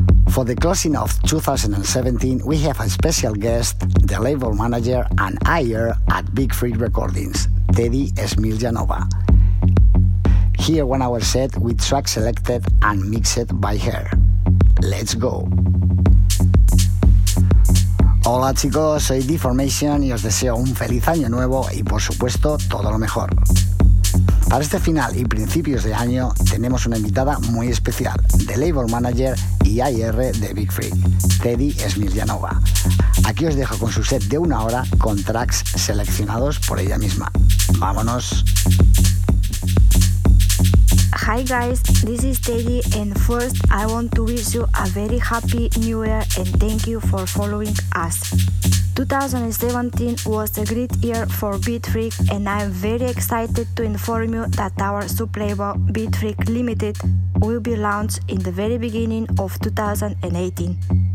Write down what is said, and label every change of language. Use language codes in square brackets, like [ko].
[en] For the closing of 2017, we have a special guest, the label manager and IR at Big Freak Recordings, Teddy Smiljanova. Here 1 hour set with tracks selected and mixed by her. Let's go! [es] Hola chicos, soy D-Formation y os deseo un feliz año nuevo y por supuesto todo lo mejor. Para este final y principios de año tenemos una invitada muy especial, [en] the label manager [es] y IR de Big Freak, Teddy Smiljanova. Aquí os dejo con su set de 1 hora con tracks seleccionados por ella misma. ¡Vámonos! [en] Hi guys, this is Teddy and first I want to wish you a very happy new year and thank you for following us. 2017 was a great year for Beat Freak and I am very excited to inform you that our sub-label Beat Freak Limited will be launched in the very beginning of 2018.